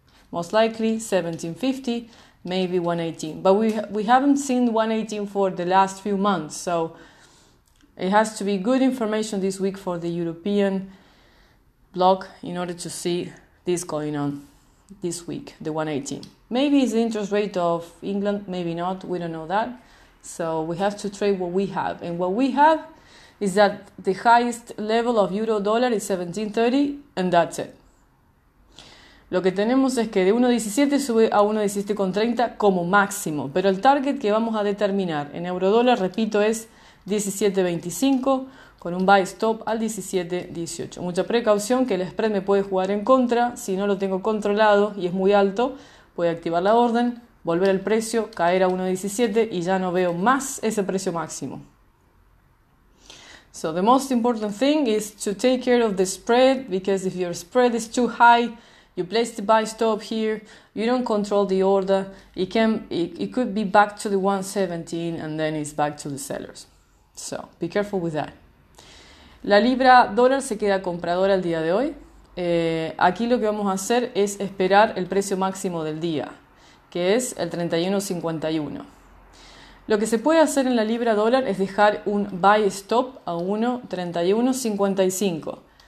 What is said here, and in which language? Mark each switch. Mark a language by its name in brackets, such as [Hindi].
[English] Most likely 17.50. Maybe 118, but we haven't seen 118 for the last few months, so it has to be good information this week for the European block in order to see this going on this week, the 118. Maybe it's the interest rate of England, maybe not, we don't know that. So we have to trade what we have, and what we have is that the highest level of euro dollar is 17.30, and that's it. [Spanish] Lo que tenemos es que de 1.17 sube a 1.17,30 como máximo, pero el target que vamos a determinar en euro dólar, repito, es 17.25 con un buy stop al 17.18. Mucha precaución que el spread me puede jugar en contra, si no lo tengo controlado y es muy alto, puede activar la orden, volver el precio, caer a 1.17 y ya no veo más ese precio máximo. [English] So the most important thing is to take care of the spread, because if your spread is too high, you place the buy stop here, you don't control the order, it could be back to the 1.17 and then it's back to the sellers. So, be careful with that. [Spanish] La libra dólar se queda compradora el día de hoy. Aquí lo que vamos a hacer es esperar el precio máximo del día, que es el 31.51. Lo que se puede hacer en la libra dólar es dejar un buy stop a 1.3155.